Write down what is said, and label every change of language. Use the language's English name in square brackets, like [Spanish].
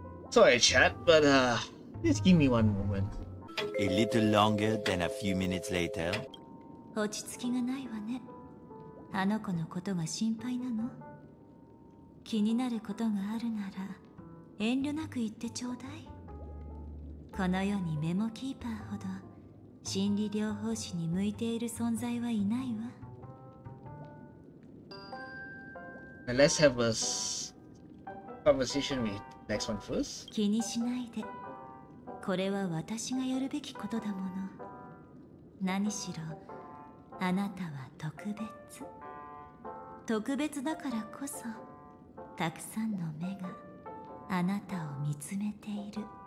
[English] Sorry, chat, but just give me one moment. A little longer than a few minutes later. [Japanese] 落ち着きがないわね。あの子のことが心配なの。気になることがあるなら遠慮なく言ってちょうだい。この世にメモキーパーほど心理療法士に向いている存在はいないわ。 [English] Let's have a conversation with next one first. [Japanese] 気にしないで。これは私がやるべきことだもの。何しろあなたは特別。特別だからこそたくさんの目があなたを見つめている。